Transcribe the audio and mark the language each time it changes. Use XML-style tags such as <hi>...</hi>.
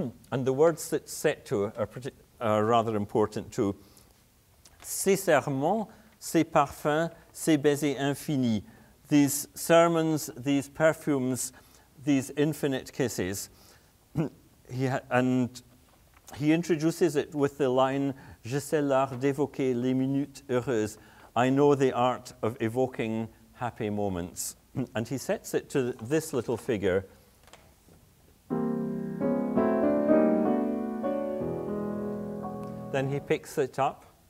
<en>And the words that it's set to are rather important too.</en> <fr>Ces sermons, ces parfums, ces baisers infinis.</fr> <en>These sermons, these perfumes, these infinite kisses. He introduces it with the line,</en> <fr>Je sais l'art d'évoquer les minutes heureuses.</fr> <en>I know the art of evoking happy moments. And he sets it to this little figure. Then he picks it up.</en>